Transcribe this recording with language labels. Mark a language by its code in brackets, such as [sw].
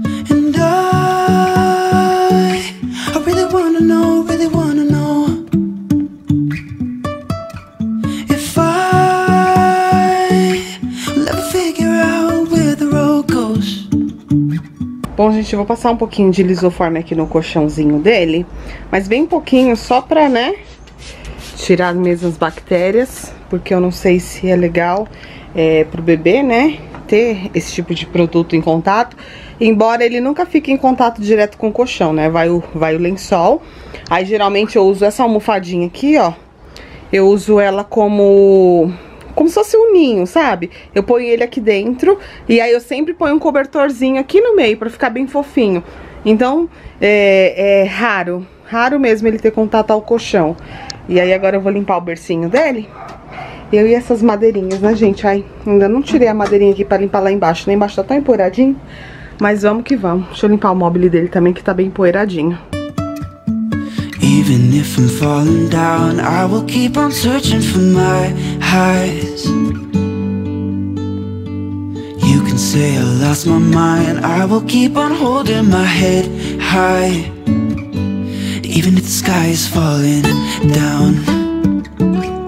[en] And I really wanna know, really wanna know if I'll ever figure out where the road goes. [pt] Bom, gente, eu vou passar um pouquinho de lisoforme aqui no colchãozinho dele, mas bem pouquinho, só pra, né, tirar mesmo as bactérias, porque eu não sei se é legal pro bebê, né, ter esse tipo de produto em contato, embora ele nunca fique em contato direto com o colchão, né, vai o lençol. Aí geralmente eu uso essa almofadinha aqui, ó, eu uso ela como como se fosse um ninho, sabe? Eu ponho ele aqui dentro e aí eu sempre ponho um cobertorzinho aqui no meio pra ficar bem fofinho. Então, é raro, raro mesmo ele ter contato ao colchão. E aí agora eu vou limpar o bercinho dele. Eu e essas madeirinhas, né, gente? Ai, ainda não tirei a madeirinha aqui pra limpar lá embaixo. Lá embaixo tá tão empoeiradinho. Mas vamos que vamos. Deixa eu limpar o móvel dele também, que tá bem empoeiradinho. [en] Even if I'm falling down, I will keep on searching for my highs. You can say I lost my mind, I will keep on holding my head high. Even if the sky is falling down.